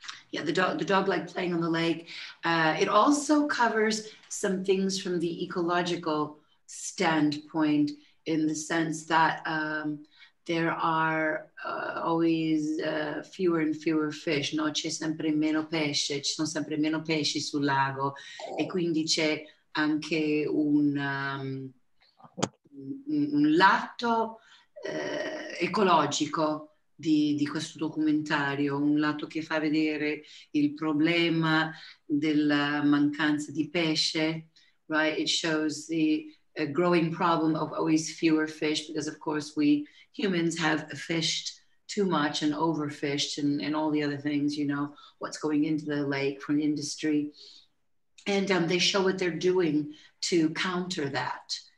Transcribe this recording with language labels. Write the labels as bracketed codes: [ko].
[en] Yeah, the dog liked playing on the lake. It also covers some things from the ecological standpoint, in the sense that there are always fewer and fewer fish. [it] No, c'è sempre meno pesce. Ci sono sempre meno pesci sul lago. E quindi c'è anche un lato ecologico di questo documentario, un lato che fa vedere il problema della mancanza di pesce, right? [en] It shows the growing problem of always fewer fish, because of course we humans have fished too much and overfished and all the other things, you know, what's going into the lake from industry. And they show what they're doing to counter that.